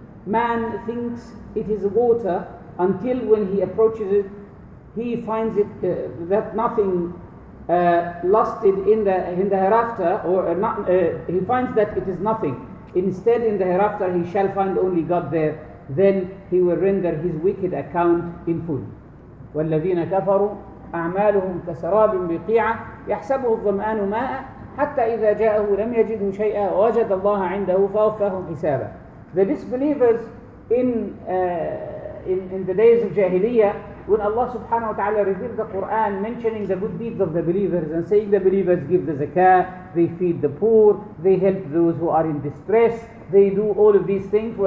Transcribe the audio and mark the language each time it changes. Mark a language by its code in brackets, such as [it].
[en] Man thinks it is water until when he approaches it, he finds it that nothing lusted in the hereafter, or he finds that it is nothing. Instead, in the hereafter, he shall find only God there. Then he will render his wicked account in full. [ar] والذين كفروا أعمالهم كسراب بقيعة يحسبه الظمآن ماء حتى إذا جاءه لم يجد شيئا وجد الله عنده فوفاهم حسابا. [en] The disbelievers in the days of Jahiliyyah, when Allah subhanahu wa ta'ala revealed the Quran mentioning the good deeds of the believers and saying the believers give the zakah, they feed the poor, they help those who are in distress, they do all of these things.